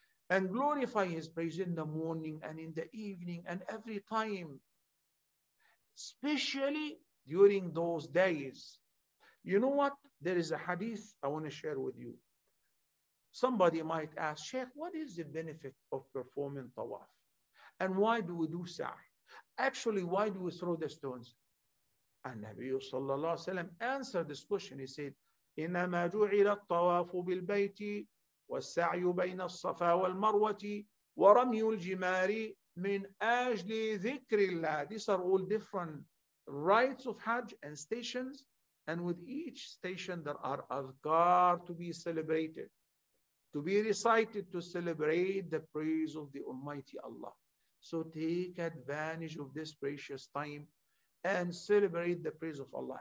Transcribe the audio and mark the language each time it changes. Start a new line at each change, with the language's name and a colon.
English: And glorify His praise in the morning and in the evening and every time, especially during those days. You know what? There is a hadith I want to share with you. Somebody might ask, Sheikh, what is the benefit of performing tawaf? And why do we do sa'i? Actually, why do we throw the stones? And Nabi sallallahu alayhi wa sallam answered this question. He said,
Arabic: إِنَّمَا جُعِلَ الطَّوَافُ بِالْبَيْتِ وَالسَّعْيُ بَيْنَ الصَّفَا وَالْمَرْوَةِ وَرَمْيُ الْجِمَارِ مِنْ أَجْلِ ذِكْرِ اللَّهِ.
English: These are all different rites of Hajj and stations. And with each station, there are adhkar to be celebrated, to be recited, to celebrate the praise of the Almighty Allah. So take advantage of this precious time and celebrate the praise of Allah.